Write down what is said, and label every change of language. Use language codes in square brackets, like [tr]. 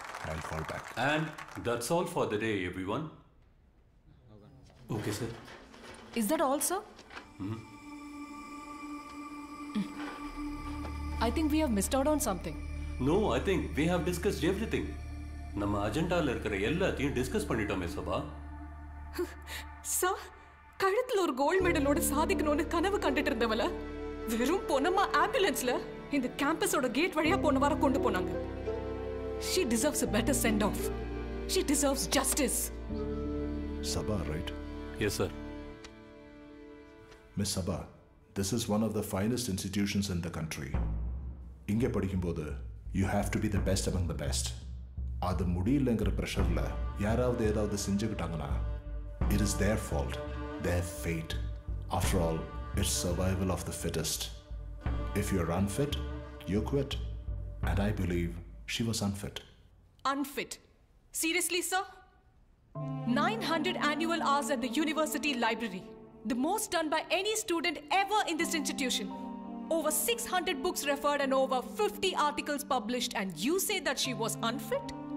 [en] I'll call back. And that's all for the day, everyone. Okay, sir. Is that all, sir? Hmm. I think we have missed out on something. No, I think we have discussed everything. [ta] நம்ம அஜெண்டால இருக்கிற எல்லாத்தையும் discuss பண்ணிட்டோமே சபா. Sir, கழுத்துல ஒரு gold மெடலோட சாதிக்கணும்னு கனவு கண்டுட்டு இருந்தவள வெறும் பொண்ணுமா ஆம்புலன்ஸ்ல இந்த கேம்பஸோட கேட் வழியா போன வர கொண்டு போனாங்க. [en] She deserves a better send off. She deserves justice. Sabha, right? Yes, sir. Miss Sabha, this is one of the finest institutions in the country. [ta] இங்க படிக்கும்போது [en] you have to be the best among the best. [ta] அது முடியலங்கிற ப்ரெஷர்ல யாராவது ஏதாவது செஞ்சுக்கிட்டாங்கன்னா [en] It is their fault, their fate. After all it's survival of the fittest. If you are unfit, you quit. And I believe she was unfit. Unfit? Seriously sir, 900 annual hours at the university library, the most done by any student ever in this institution. Over 600 books referred and over 50 articles published, and you say that she was unfit?